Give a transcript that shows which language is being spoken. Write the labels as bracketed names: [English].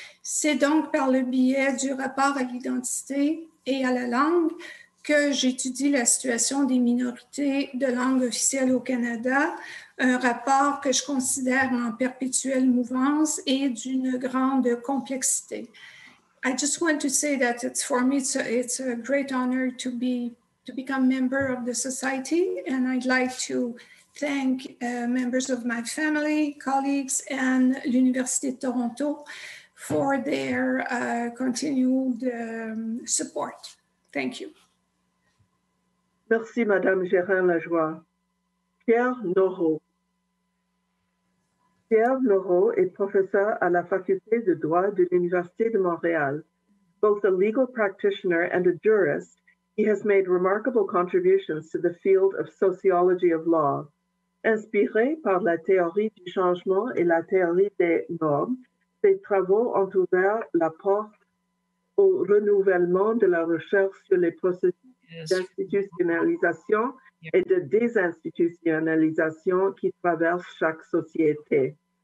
[French] C'est donc par le biais du rapport à l'identité et à la langue que j'étudie la situation des minorités de langue officielle au Canada, un rapport que je considère en perpétuelle mouvance et d'une grande complexité. [English] I just want to say that it's for me a great honor to become member of the society, and I'd like to thank members of my family, colleagues, and l'Université de Toronto for their continued support. Thank you. [French] Merci, Madame Gérin-Lajoie. Pierre Noreau. Pierre Noreau est professeur à la Faculté de droit de l'Université de Montréal. [English] Both a legal practitioner and a jurist, he has made remarkable contributions to the field of sociology of law. [French] Inspiré par la théorie du changement et la théorie des normes, ses travaux ont ouvert la porte au renouvellement de la recherche sur les processus d'institutionnalisation et de désinstitutionnalisation qui traversent chaque société.